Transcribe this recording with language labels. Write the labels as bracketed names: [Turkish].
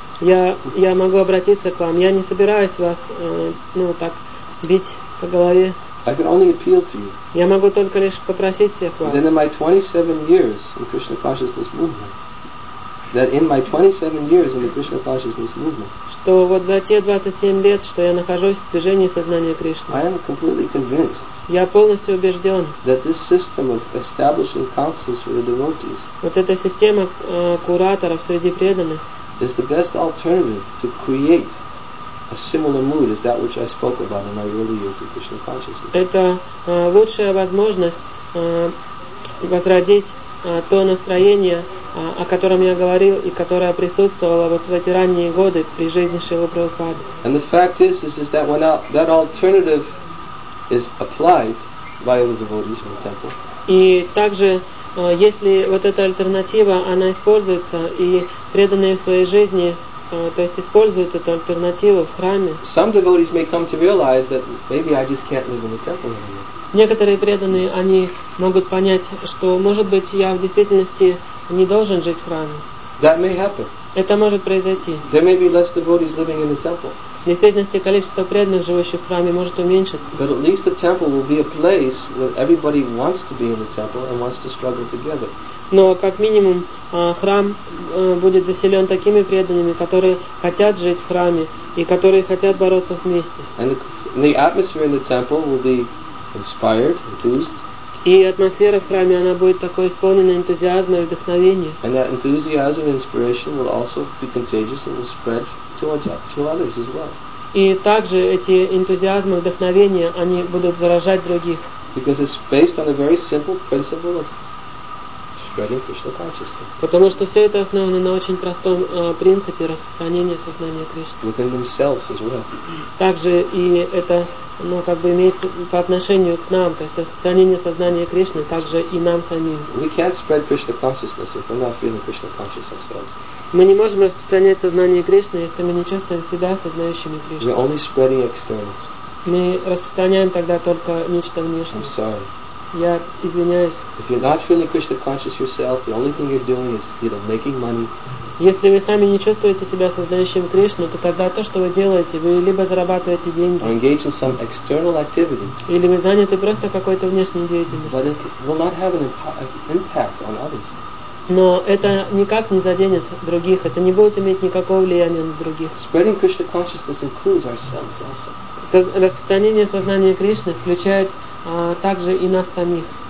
[Russian] Я могу обратиться к вам. Я не собираюсь вас так бить по голове. [English] I can only appeal to you. [Russian] Я могу только лишь попросить всех вас. [English] Then in my 27 years in Krishna consciousness movement. That in my 27 years in the Krishna consciousness movement. [Russian] Что вот за те 27 лет, что я нахожусь в движении сознания Кришны. [English] I am completely convinced. [Russian] Я полностью убежден. [English] That this system of establishing councils for the devotees. [Russian] Вот эта система кураторов среди преданных. [English] Is the best alternative to create a similar mood as that which I spoke about in my early years of Krishna consciousness. [Russian] Это лучшая возможность возродить то настроение, о котором я говорил и которое присутствовало вот в эти ранние годы при жизни Шрилы Прабхупады. [English] And the fact is that when that alternative is applied by the devotees in the temple. [Russian] И также, если вот эта альтернатива, она используется и преданные в своей жизни, то есть используют эту альтернативу в храме. [English] Some devotees may come to realize that maybe I just can't live in the temple anymore. [Russian] Некоторые преданные, они могут понять, что, может быть, я в действительности не должен жить в храме. [English] That may happen. [Russian] Это может произойти. [English] There may be less devotees living in the temple. [Russian] В действительности, количество преданных, живущих в храме, может уменьшиться. [English] But at least the temple will be a place where everybody wants to be in the temple and wants to struggle together. [Russian] Но, как минимум, храм будет заселен такими преданными, которые хотят жить в храме и которые хотят бороться вместе. [English] And the atmosphere in the temple will be inspired, enthused. [Russian] И атмосфера в храме, она будет такой исполненной энтузиазма и вдохновения. [English] And that enthusiasm and inspiration will also be contagious and will spread to others as well. [Russian] И также эти энтузиазмы и вдохновения, они будут заражать других. [English] Because it's based on a very simple principle of spreading Krishna consciousness. [Russian] Потому что все это основано на очень простом принципе распространения сознания Кришны. [English] Within themselves as well. [Russian] Также и это имеется по отношению к нам, то есть распространение сознания Кришны также и нам самим. [English] We can't spread Krishna consciousness if we're not feeling Krishna conscious ourselves. [Russian] Мы не можем распространять сознание Кришны, если мы не чувствуем себя сознающими Кришны. [English] We're only spreading externals. [Russian] Мы распространяем тогда только нечто внешнее. [English] I'm sorry. [Russian] Я извиняюсь. [English] If you're not feeling Krishna conscious yourself, the only thing you're doing is making money. [Russian] Если вы сами не чувствуете себя сознающим Кришну, то тогда то, что вы делаете, вы либо зарабатываете деньги, [English] or engage in some external activity, [Russian] или вы заняты просто какой-то внешней деятельностью. [English] But it will not have an impact on others. [Russian] Но это никак не заденет других, это не будет иметь никакого влияния на других. [English] Spreading Krishna consciousness includes ourselves also. [Russian] Распространение сознания Кришны включает также и нас самих.